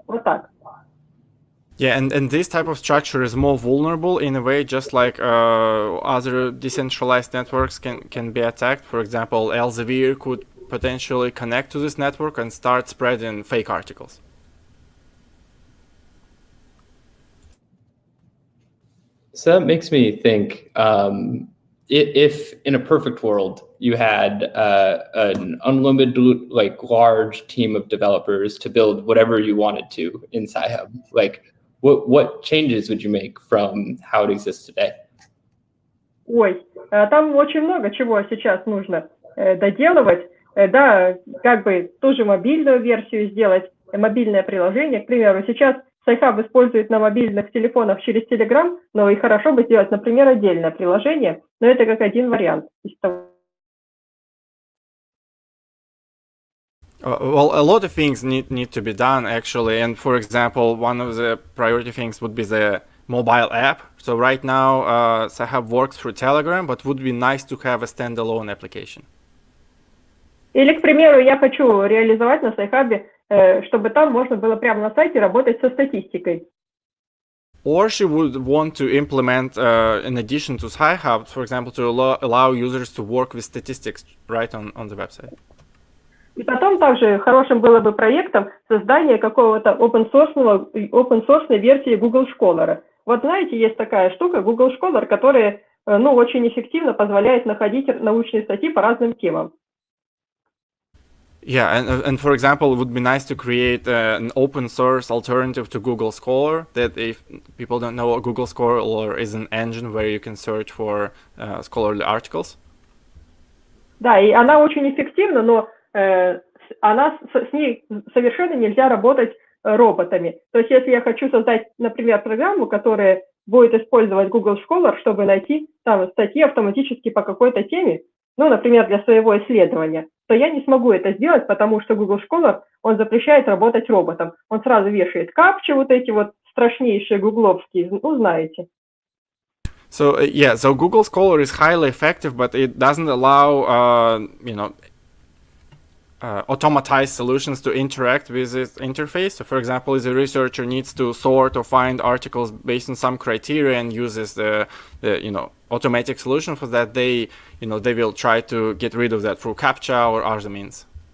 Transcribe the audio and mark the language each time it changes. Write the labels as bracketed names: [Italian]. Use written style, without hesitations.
[Russian] Вот так. [English] Yeah, and this type of structure is more vulnerable in a way, just like other decentralized networks can be attacked. For example, Elsevier could potentially connect to this network and start spreading fake articles. So that makes me think, if in a perfect world you had an unlimited, like, large team of developers to build whatever you wanted to in Sci-Hub, like, what changes would you make from how it exists today? [Russian] Ой, там очень много чего сейчас нужно доделывать. Да, как бы ту же мобильную версию сделать, мобильное приложение. К примеру, сейчас Sci-Hub использует на мобильных телефонах через Telegram, но и хорошо бы сделать, например, отдельное приложение. Но это как один вариант из того. [English] Well, a lot of things need to be done, actually. And for example, one of the priority things would be the mobile app. So right now, Sci-Hub works through Telegram, but would be nice to have a standalone application. [Russian] Или, к примеру, я хочу реализовать на Sci-Hub, чтобы там можно было прямо на сайте работать со статистикой. [English] Or she would want to implement an addition to Sci-Hub, for example, to allow users to work with statistics right on the website. [Russian] И потом также хорошим было бы проектом создание какого-то open-source версии Google Scholar. Вот знаете, есть такая штука, Google Scholar, которая, ну, очень эффективно позволяет находить научные статьи по разным темам. [English] Yeah, and for example, it would be nice to create an open-source alternative to Google Scholar, that if people don't know, Google Scholar is an engine where you can search for scholarly articles. [Russian] Угу. Да, и она очень эффективна, но она с ней совершенно нельзя работать роботами. То есть если я хочу создать, например, программу, которая будет использовать Google Scholar, чтобы найти там статьи автоматически по какой-то теме, ну, например, для своего исследования, то я не смогу это сделать, потому что Google Scholar, он запрещает работать роботом. Он сразу вешает капчи, вот эти вот страшнейшие гугловские, ну, знаете. [English] So, yeah, so Google Scholar is highly effective, but it doesn't allow, you know, automatized solutions to interact with this interface. So, for example, if a researcher needs to sort or find articles based on some criteria and uses the you know, automatic solution for that, they, you know, they will try to get rid of that through CAPTCHA or other means.